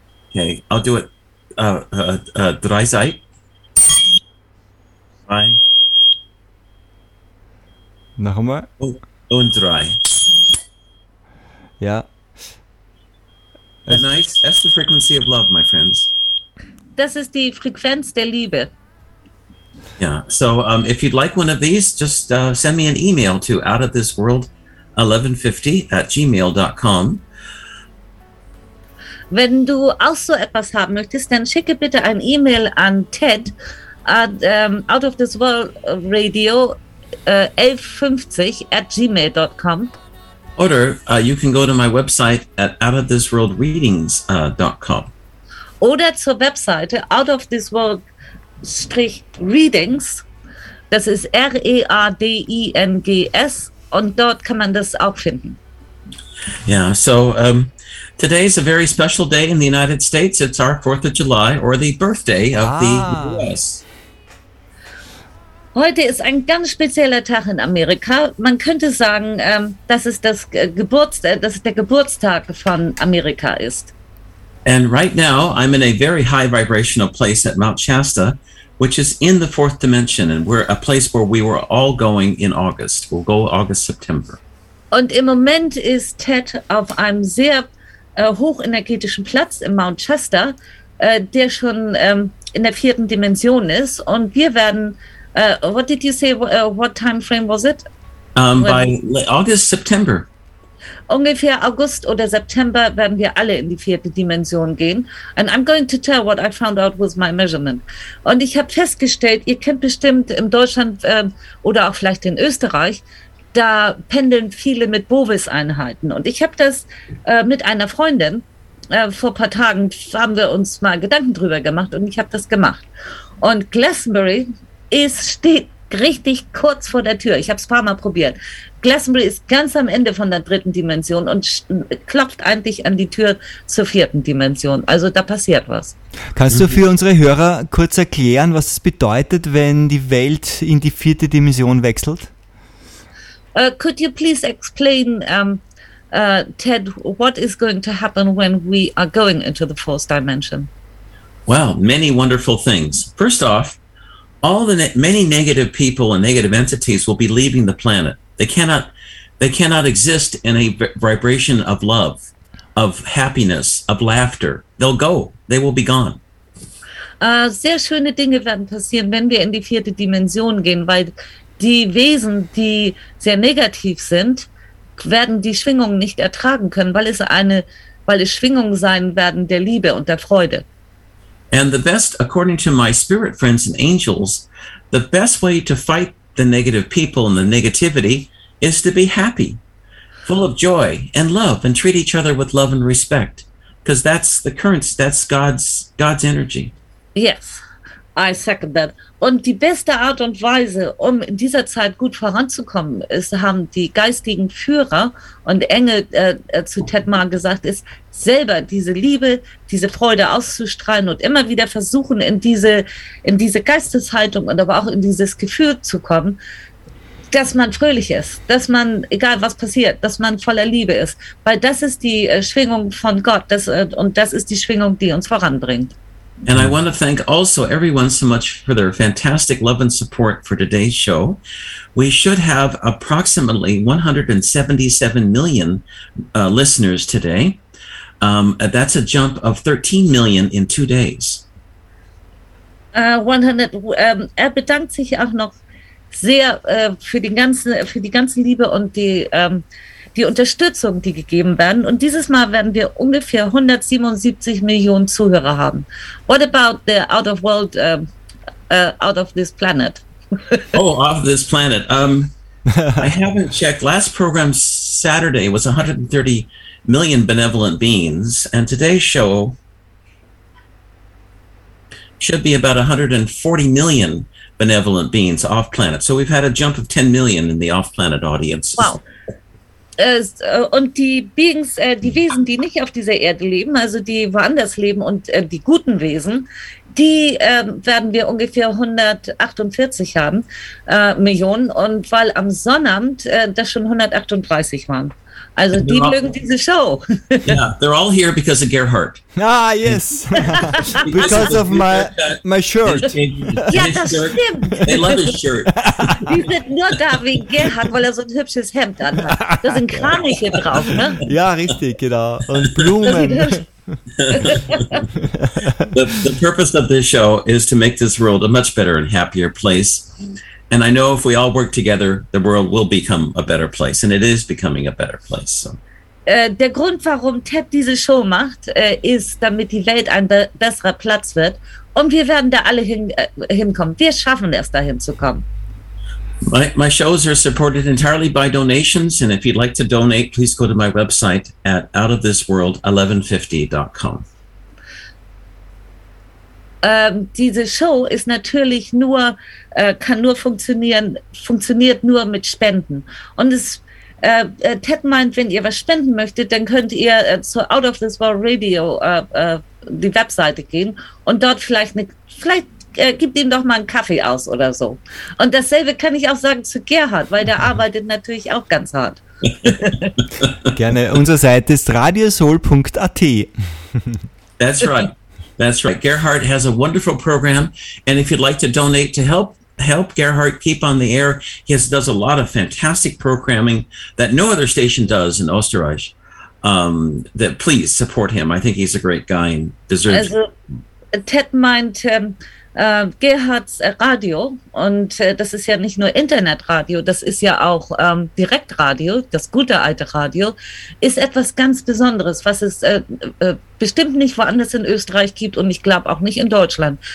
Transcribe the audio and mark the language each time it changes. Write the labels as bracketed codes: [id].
[en] Okay, I'll do it. [de] Drei Zeit. Drei. Nochmal. Und drei. Ja. [en] And nice, that's the frequency of love, my friends. [de] Das ist die Frequenz der Liebe. [en] Yeah, so if you'd like one of these, just send me an email to outofthisworld1150@gmail.com. [de] Wenn du auch so etwas haben möchtest, dann schicke bitte ein E-Mail an Ted at outofthisworldradio 1150@gmail.com. Oder [en] you can go to my website at outofthisworldreadings.com. [de] Oder zur Webseite outofthisworld-readings, das ist R-E-A-D-I-N-G-S, und dort kann man das auch finden. [en] Yeah, so today is a very special day in the United States. It's our 4th of July, or the birthday of the U.S. [de] Heute ist ein ganz spezieller Tag in Amerika. Man könnte sagen, dass es das dass es der Geburtstag von Amerika ist. [en] And right now, I'm in a very high vibrational place at Mount Shasta, which is in the fourth dimension, and we're a place where we were all going in August. We'll go August, September. [de] Und im Moment ist Ted auf einem sehr hochenergetischen Platz im Mount Shasta, der schon in der vierten Dimension ist, und wir werden, [en] what did you say, what time frame was it? By August, September. [de] Ungefähr August oder September werden wir alle in die vierte Dimension gehen. [en] And I'm going to tell what I found out with my measurement. [de] Und ich habe festgestellt, ihr kennt bestimmt in Deutschland oder auch vielleicht in Österreich, da pendeln viele mit Bovis-Einheiten. Und ich habe das mit einer Freundin, vor ein paar Tagen haben wir uns mal Gedanken drüber gemacht und ich habe das gemacht. Und Glastonbury steht richtig kurz vor der Tür. Ich habe es ein paar Mal probiert. Glastonbury ist ganz am Ende von der dritten Dimension und klopft eigentlich an die Tür zur vierten Dimension. Also da passiert was. Kannst du für unsere Hörer kurz erklären, was es bedeutet, wenn die Welt in die vierte Dimension wechselt? [en] Could you please explain, Ted, what is going to happen when we are going into the fourth dimension? Well, many wonderful things. First off, all the many negative people and negative entities will be leaving the planet. They cannot exist in a vibration of love, of happiness, of laughter. They'll go. They will be gone. [de] Sehr schöne Dinge werden passieren, wenn wir in die vierte Dimension gehen, weil die Wesen, die sehr negativ sind, werden die Schwingungen nicht ertragen können, weil es Schwingungen sein werden der Liebe und der Freude. [en] And the best, according to my spirit friends and angels, the best way to fight the negative people and the negativity is to be happy, full of joy and love, and treat each other with love and respect, because that's the currents, that's God's energy. Yes, I second that. [de] Und die beste Art und Weise, um in dieser Zeit gut voranzukommen, ist, haben die geistigen Führer und Engel zu Ted Mar gesagt, ist selber diese Liebe, diese Freude auszustrahlen und immer wieder versuchen, in diese Geisteshaltung und aber auch in dieses Gefühl zu kommen, dass man fröhlich ist, dass man, egal was passiert, dass man voller Liebe ist. Weil das ist die Schwingung von Gott, und das ist die Schwingung, die uns voranbringt. [en] And I want to thank also everyone so much for their fantastic love and support for today's show. We should have approximately 177 million listeners today. That's a jump of 13 million in 2 days. [de] Er bedankt sich auch noch sehr für die ganze Liebe und die Unterstützung, die gegeben werden. Und dieses Mal werden wir ungefähr 177 Millionen Zuhörer haben. [en] What about the out of world, out of this planet? Oh, off this planet. I haven't checked. Last program Saturday was 130 million benevolent beings. And today's show should be about 140 million benevolent beings off planet. So we've had a jump of 10 million in the off planet audience. Wow. [de] Und die Beings, die Wesen, die nicht auf dieser Erde leben, also die woanders leben, und die guten Wesen, die werden wir ungefähr 148 haben, Millionen, und weil am Sonnabend das schon 138 waren. Also die mögen diese Show. [en] Yeah, they're all here because of Gerhard. Ah, yes. because of my shirt. [de] Ja, das stimmt. [en] They love his shirt. [de] Die sind nur da wegen Gerhard, weil er so ein hübsches Hemd anhat. Da sind Kraniche drauf, ne? Ja, richtig, genau. Und Blumen. [en] the purpose of this show is to make this world a much better and happier place. And I know if we all work together, the world will become a better place. And it is becoming a better place. So. [de] Der Grund, warum Ted diese Show macht, ist, damit die Welt ein besserer Platz wird. Und wir werden da alle hinkommen. Wir schaffen es, dahin zu kommen. [en] My shows are supported entirely by donations. And if you'd like to donate, please go to my website at outofthisworld1150.com. [de] Diese Show ist natürlich nur, kann nur funktioniert nur mit Spenden. Und es, Ted meint, wenn ihr was spenden möchtet, dann könnt ihr zu Out of This World Radio die Webseite gehen und dort vielleicht gibt ihm doch mal einen Kaffee aus oder so. Und dasselbe kann ich auch sagen zu Gerhard, weil der arbeitet natürlich auch ganz hart. Gerne. Unsere Seite ist radiosoul.at. [en] That's right. That's right. Gerhard has a wonderful program, and if you'd like to donate to help Gerhard keep on the air, he does a lot of fantastic programming that no other station does in Österreich. That please support him. I think he's a great guy and deserves. [de] Also, Ted meint Gerhards Radio, und das ist ja nicht nur Internetradio, das ist ja auch Direktradio, das gute alte Radio, ist etwas ganz Besonderes, was es bestimmt nicht woanders in Österreich gibt und ich glaube auch nicht in Deutschland.